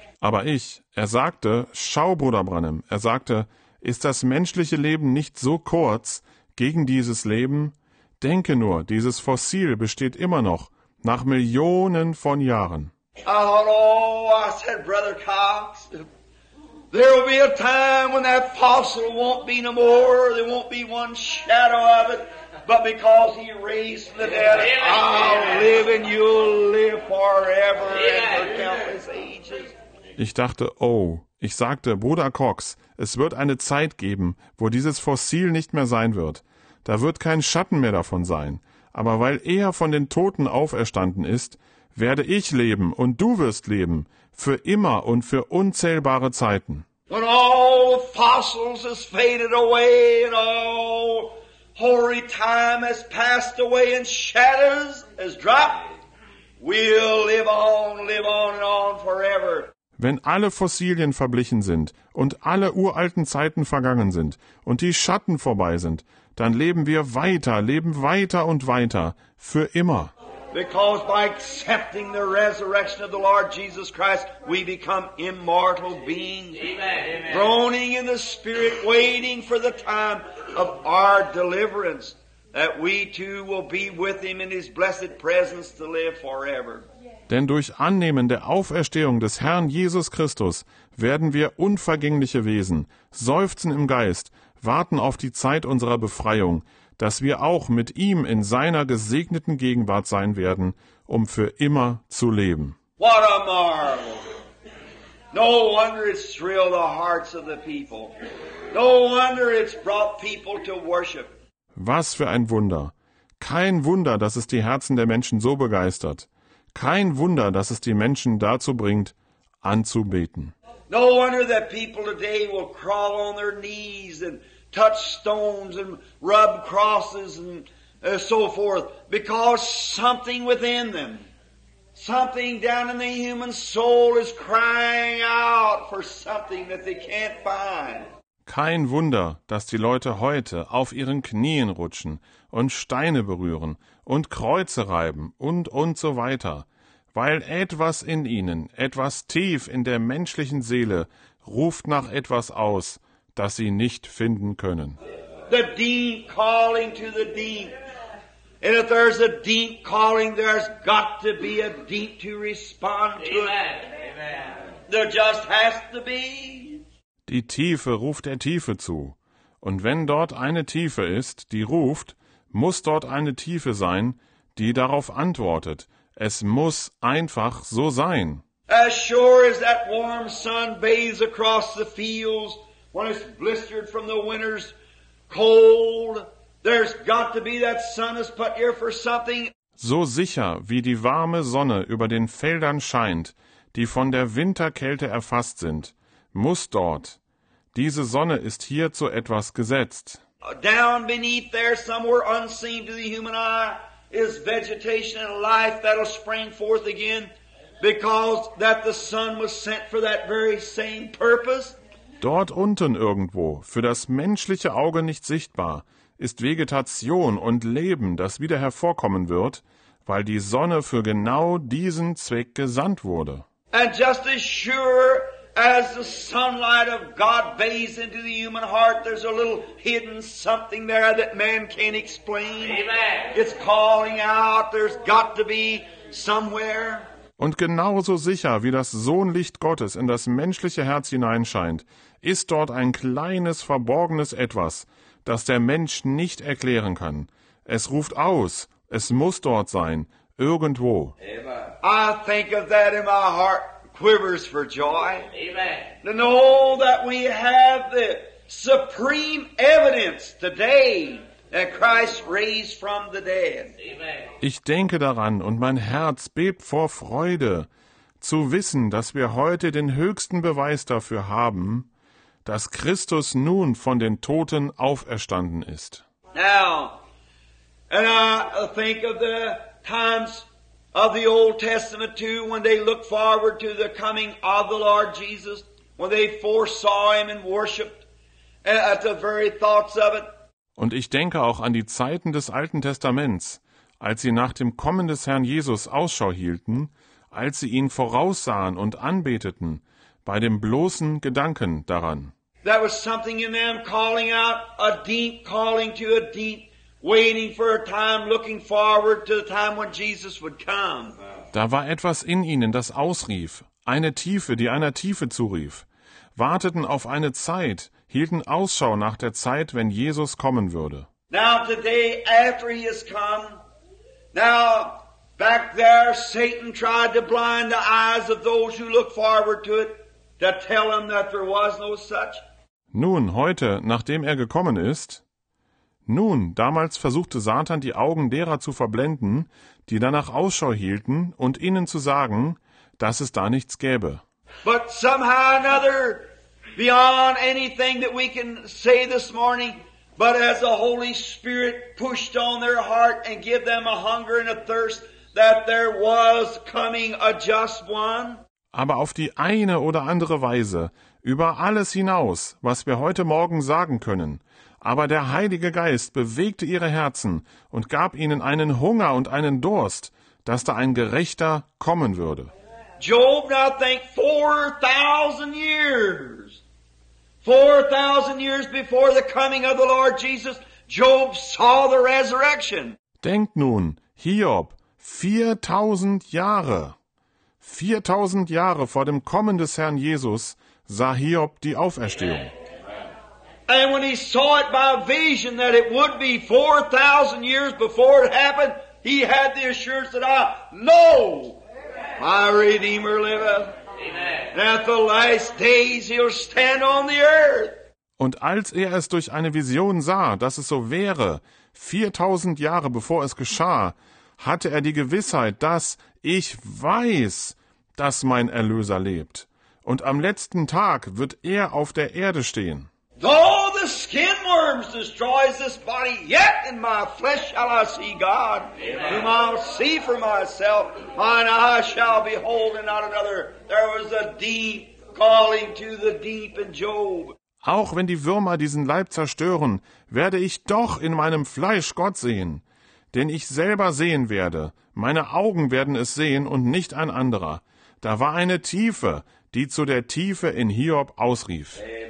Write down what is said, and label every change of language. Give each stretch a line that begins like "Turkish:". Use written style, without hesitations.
German: Aber ich, er sagte, schau, Bruder Branham, er sagte, ist das menschliche Leben nicht so kurz gegen dieses Leben? Denke nur, dieses Fossil besteht immer noch, nach Millionen von Jahren.
English: Hello, I said, Brother Cox, there will be a time when that fossil won't be no more, there won't be one shadow of it, but because he raised from the dead, I'll live and you'll live forever and for countless ages.
German: Ich dachte, oh, ich sagte, Bruder Cox, es wird eine Zeit geben, wo dieses Fossil nicht mehr sein wird. Da wird kein Schatten mehr davon sein. Aber weil er von den Toten auferstanden ist, werde ich leben und du wirst leben, für immer und für unzählbare Zeiten.
English: When all the fossils has faded away and all hoary time has passed away and shadows has dropped, we'll live on and on forever.
German: wenn alle Fossilien verblichen sind und alle uralten Zeiten vergangen sind und die Schatten vorbei sind, dann leben weiter und weiter, für immer.
English: Because by accepting the resurrection of the Lord Jesus Christ, we become immortal beings. Amen. Groaning in the Spirit, waiting for the time of our deliverance, that we too will be with Him in His blessed presence to live forever.
German: Denn durch Annehmen der Auferstehung des Herrn Jesus Christus werden wir unvergängliche Wesen, seufzen im Geist, warten auf die Zeit unserer Befreiung, dass wir auch mit ihm in seiner gesegneten Gegenwart sein werden, um für immer zu leben.
English: What a marvel! No wonder it's thrilled the hearts of the people. No wonder it's brought people to worship.
German: Was für ein Wunder! Kein Wunder, dass es die Herzen der Menschen so begeistert. Kein Wunder, dass es die Menschen dazu bringt, anzubeten.
English: No wonder that people today will crawl on their knees and touch stones and rub crosses and so forth, because something within them, something down in the human soul is crying out for something that they can't find.
German: Kein Wunder, dass die Leute heute auf ihren Knien rutschen und Steine berühren und Kreuze reiben und so weiter, weil etwas in ihnen, etwas tief in der menschlichen Seele, ruft nach etwas aus, das sie nicht finden können.
English: The deep calling to the deep. And if there's a deep calling, there's got to be a deep to respond to. Amen. There just has to be.
German: Die Tiefe ruft der Tiefe zu. Und wenn dort eine Tiefe ist, die ruft, muss dort eine Tiefe sein, die darauf antwortet. Es muss einfach so sein.
English: As sure as that warm sun bathes across the fields, when it's blistered from the winter's cold, there's got to be that sun has put here for something.
German: So sicher wie die warme Sonne über den Feldern scheint, die von der Winterkälte erfasst sind, muss dort. Diese Sonne ist hier zu etwas gesetzt.
English: Down beneath there, somewhere unseen to the human eye, is vegetation and life that'll spring forth again, because that the sun was sent for that very same purpose.
German: Dort unten irgendwo, für das menschliche Auge nicht sichtbar, ist Vegetation und Leben, das wieder hervorkommen wird, weil die Sonne für genau diesen Zweck gesandt wurde.
English: And just as sure as the sunlight of God bathes into the human heart, there's a little hidden something there that man can't explain. Amen. It's calling out, there's got to be somewhere.
German: Und genauso sicher, wie das Sohnlicht Gottes in das menschliche Herz hineinscheint, ist dort ein kleines, verborgenes Etwas, das der Mensch nicht erklären kann. Es ruft aus, es muss dort sein, irgendwo.
English: I think of that and my heart quivers for joy. Amen. To know that we have the supreme evidence today. That Christ raised from the dead. Amen.
German: Ich denke daran und mein Herz bebt vor Freude, zu wissen, dass wir heute den höchsten Beweis dafür haben, dass Christus nun von den Toten auferstanden ist.
English: Now, and I think of the times of the Old Testament too, when they looked forward to the coming of the Lord Jesus, when they foresaw him and worshipped at the very thoughts of it.
German: Und ich denke auch an die Zeiten des Alten Testaments, als sie nach dem Kommen des Herrn Jesus Ausschau hielten, als sie ihn voraussahen und anbeteten, bei dem bloßen Gedanken daran.
English: That was something in them calling out, a deep calling to a deep, waiting for a time, looking forward to the time when Jesus would come.
German: Da war etwas in ihnen, das ausrief, eine Tiefe, die einer Tiefe zurief, warteten auf eine Zeit, hielten Ausschau nach der Zeit, wenn Jesus kommen würde.
English: Now today, after he has come, now back there, Satan tried to blind the eyes of those who look forward to it, to tell them that there was no such.
German: Nun, heute, nachdem er gekommen ist, nun, damals versuchte Satan, die Augen derer zu verblenden, die danach Ausschau hielten, und ihnen zu sagen, dass es da nichts gäbe.
English: But somehow another, beyond anything that we can say this morning, but as the Holy Spirit pushed on their heart and gave them a hunger and a thirst that there was coming a just one.
German: aber auf die eine oder andere Weise, über alles hinaus, was wir heute Morgen sagen können. Aber der Heilige Geist bewegte ihre Herzen und gab ihnen einen Hunger und einen Durst, dass da ein Gerechter kommen würde.
English: Job now think 4,000 years. 4,000 years before the coming of the Lord Jesus, Job saw the resurrection.
German: Denkt nun, Hiob, 4,000 Jahre. 4,000 Jahre vor dem Kommen des Herrn Jesus sah Hiob die Auferstehung.
English: And when he saw it by vision that it would be 4,000 years before it happened, he had the assurance that I know my Redeemer liveth. At the last days he'll stand on the earth.
German: Und als er es durch eine Vision sah, dass es so wäre, 4,000 Jahre bevor es geschah, hatte er die Gewissheit, dass ich weiß, dass mein Erlöser lebt. Und am letzten Tag wird er auf der Erde stehen.
English: Though the skin worms destroys this body, yet in my flesh shall I see God, whom I'll see for myself, mine eyes shall behold and not another. There was a deep calling to the deep in Job.
German: Auch wenn die Würmer diesen Leib zerstören, werde ich doch in meinem Fleisch Gott sehen. Denn ich selber sehen werde, meine Augen werden es sehen und nicht ein anderer. Da war eine Tiefe, die zu der Tiefe in Hiob ausrief.